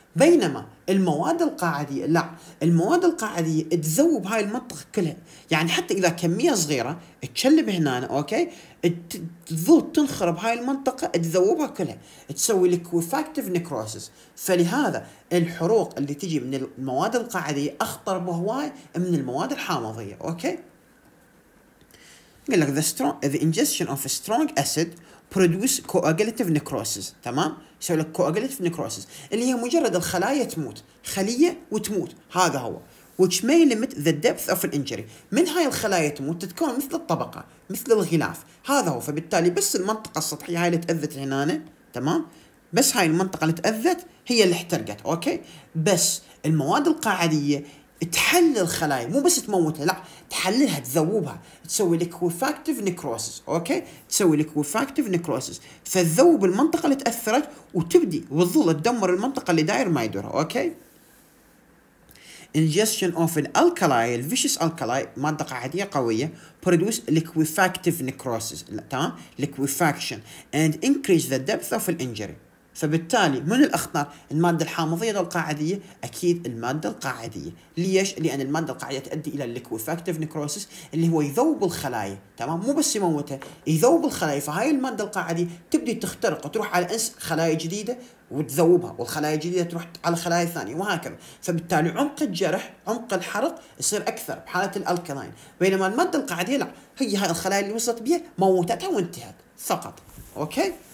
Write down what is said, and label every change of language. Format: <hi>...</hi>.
<ar>بينما المواد القاعدية لا، المواد القاعدية تذوب هاي المنطقة كلها، يعني حتى اذا كمية صغيرة تشلب هنا اوكي تظل تنخرب هاي المنطقة تذوبها كلها تسوي ليكويفاكتيف نكروسيس. فلهذا الحروق اللي تجي من المواد القاعدية اخطر بهواي من المواد الحامضية اوكي. يقول لك</ar> <en>the ingestion of a strong acid produce coagulative necrosis</en> <ar>تمام، يسوي لك</ar> <en>coagulative necrosis</en> <ar>اللي هي مجرد الخلايا تموت، خلية وتموت، هذا هو</ar> <en>which may limit the depth of an injury.</en> <ar>من هاي الخلايا تموت تتكون مثل الطبقة مثل الغلاف، هذا هو، فبالتالي بس المنطقة السطحية هاي اللي تأذت هنا تمام، بس هاي المنطقة اللي تأذت هي اللي احترقت أوكي، بس المواد القاعدية تحلل الخلايا مو بس تموتها، لا تحللها تذوبها تسوي ليكويفاكتيف نكروسيس اوكي، تسوي ليكويفاكتيف نكروسيس، فتذوب المنطقه اللي تاثرت وتبدي وتظل تدمر المنطقه اللي داير ما يدورها اوكي.</ar> <en>ingestion of an alkali vicious alkali</en> <ar>ماده قاعديه قويه</ar> <en>produce liquefactive necrosis تمام liquefaction and increase the depth of the injury.</en> <ar>فبالتالي من الأخطر المادة الحامضية القاعدية، أكيد المادة القاعدية، ليش؟ لأن المادة القاعدية تؤدي إلى الليكويفاكتيف نيكروسيس اللي هو يذوب الخلايا تمام، مو بس يموتها يذوب الخلايا، فهاي المادة القاعدية تبدي تخترق وتروح على خلايا جديدة وتذوبها، والخلايا الجديدة تروح على خلايا ثانية وهكذا، فبالتالي عمق الجرح عمق الحرق يصير أكثر بحالة الألكالين، بينما المادة القاعدية لا، هي هاي الخلايا اللي وصلت بيها موتتها وانتهت فقط أوكي.</ar>